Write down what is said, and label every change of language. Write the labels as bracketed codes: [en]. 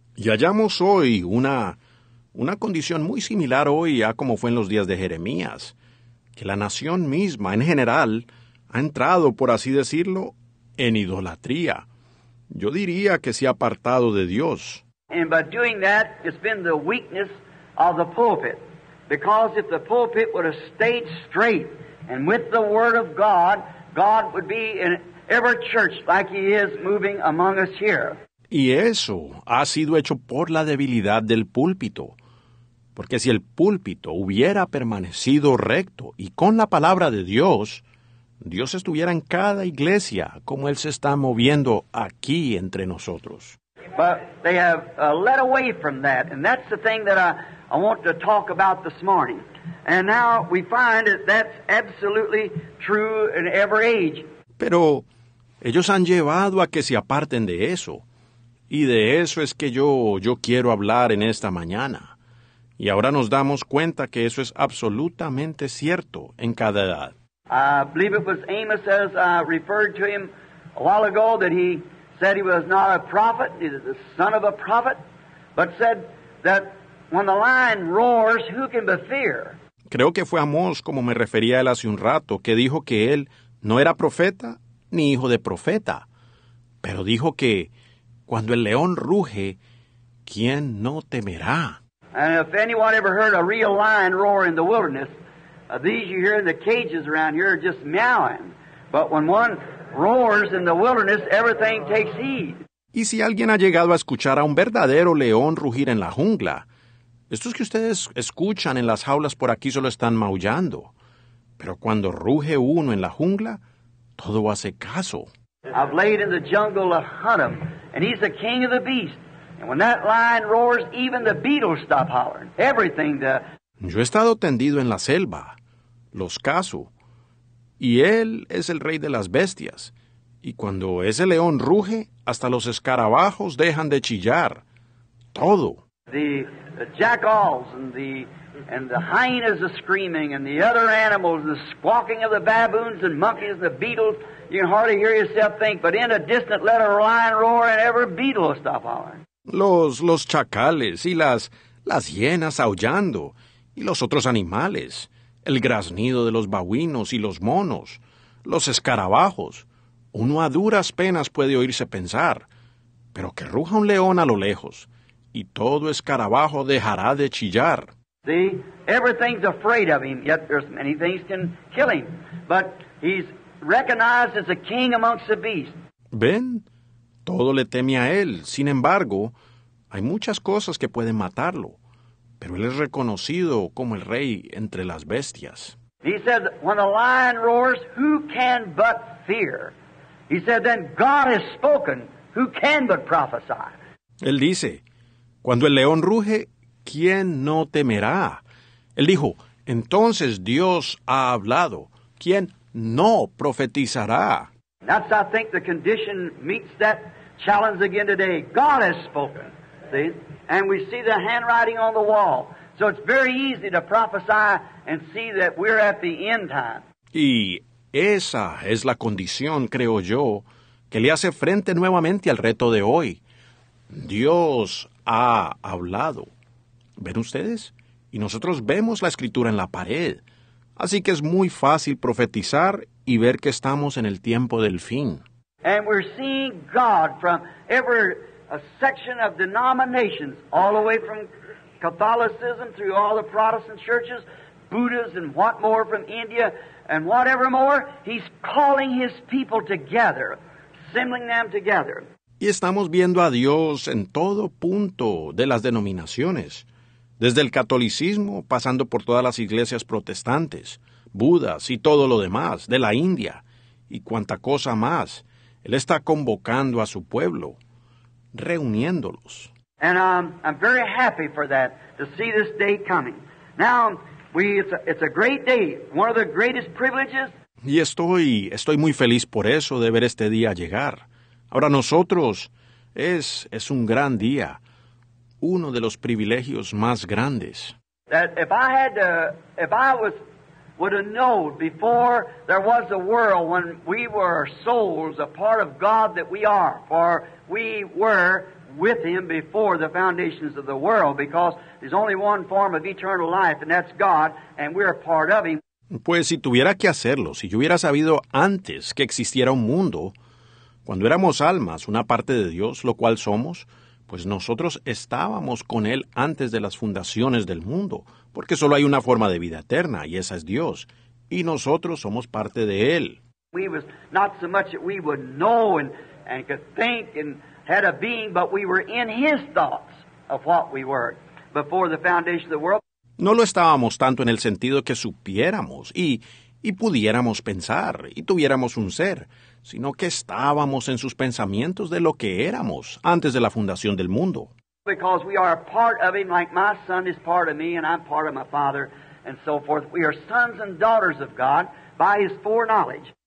[es] Y hallamos hoy una condición muy similar hoy a como fue en los días de Jeremías, que la nación misma, en general, ha entrado, por así decirlo, en idolatría. Yo diría que se ha apartado de Dios. [en] And by doing that, it's been the weakness of the pulpit, because if the pulpit would have stayed straight and with the Word of God, God would be in every church like He is moving among us here. [es] Y eso ha sido hecho por la debilidad del púlpito, porque si el púlpito hubiera permanecido recto y con la palabra de Dios, Dios estuviera en cada iglesia como Él se está moviendo aquí entre nosotros. [en] But they have led away from that, and that's the thing that I want to talk about this morning. And now we find that that's absolutely true in every age. [es] Pero ellos han llevado a que se aparten de eso. Y de eso es que yo quiero hablar en esta mañana. Y ahora nos damos cuenta que eso es absolutamente cierto en cada edad. [en] I believe it was Amos, as I referred to him a while ago, that he said he was not a prophet, neither the son of a prophet, but said that when the lion roars, who can be fear? [es] Creo que fue Amós, como me refería él hace un rato, que dijo que él no era profeta ni hijo de profeta, pero dijo que cuando el león ruge, ¿quién no temerá? [en] And if anyone ever heard a real lion roar in the wilderness, these you hear in the cages around here are just meowing. But when one roars in the wilderness, everything takes heed. [es] Y si alguien ha llegado a escuchar a un verdadero león rugir en la jungla, estos que ustedes escuchan en las jaulas por aquí solo están maullando. Pero cuando ruge uno en la jungla, todo hace caso. [en] I've laid in the jungle a hunter, and he's the king of the beast. And when that lion roars, even the beetles stop hollering. Everything does. [es] Yo he estado tendido en la selva, los caso, y él es el rey de las bestias. Y cuando ese león ruge, hasta los escarabajos dejan de chillar. Todo. [en] The jackals and the hyenas are screaming, and the other animals, the squawking of the baboons and monkeys, the beetles. You can hardly hear yourself think, but in a distant let a lion roar, and every beetle will stop hollering. [es] Los chacales y las hienas aullando, y los otros animales, el graznido de los babuinos y los monos, los escarabajos. Uno a duras penas puede oírse pensar, pero que ruja un león a lo lejos, y todo escarabajo dejará de chillar. [en] See, everything's afraid of him, yet there's many things can kill him. But he's recognized as a king amongst the beasts. [es] ¿Ven? Todo le teme a él. Sin embargo, hay muchas cosas que pueden matarlo. Pero él es reconocido como el rey entre las bestias. [en] He said, when the lion roars, who can but fear? He said, then God has spoken, who can but prophesy? [es] Él dice, Cuando el león ruge, ¿quién no temerá? Él dijo, entonces Dios ha hablado. ¿Quién no profetizará? [en] That's, I think, the condition meets that challenge again today. God has spoken. See? And we see the handwriting on the wall. So it's very easy to prophesy and see that we're at the end time. [es] Y esa es la condición, creo yo, que le hace frente nuevamente al reto de hoy. Dios ha hablado. ¿Ven ustedes? Y nosotros vemos la escritura en la pared. Así que es muy fácil profetizar y ver que estamos en el tiempo del fin. [en] And we're seeing God from every section of denominations, all the way from Catholicism through all the Protestant churches, Buddhas and what more from India and whatever more. He's calling his people together, assembling them together. [es] Y estamos viendo a Dios en todo punto de las denominaciones, desde el catolicismo, pasando por todas las iglesias protestantes, budas y todo lo demás, de la India, y cuanta cosa más. Él está convocando a su pueblo, reuniéndolos. [en] And I'm very happy for that, to see this day coming. Now, it's a great day, one of the greatest privileges. [es] Y estoy muy feliz por eso, de ver este día llegar. Ahora nosotros, es un gran día, uno de los privilegios más grandes. [en] That if I would have known before there was a world when we were souls, a part of God that we are, for we were with him before the foundations of the world, because there's only one form of eternal life, and that's God, and we're a part of him. [es] Pues si tuviera que hacerlo, si yo hubiera sabido antes que existiera un mundo, cuando éramos almas, una parte de Dios, lo cual somos, pues nosotros estábamos con Él antes de las fundaciones del mundo, porque solo hay una forma de vida eterna, y esa es Dios, y nosotros somos parte de Él. [en] We was not so much that we would know and could think and had a being, but we were in His thoughts of what we were before the foundation of the world. [es] No lo estábamos tanto en el sentido que supiéramos y pudiéramos pensar y tuviéramos un ser, sino que estábamos en sus pensamientos de lo que éramos antes de la fundación del mundo. [en] Because we are a part of him, like my son is part of me and I'm part of my father and so forth. We are sons and daughters of God by his foreknowledge.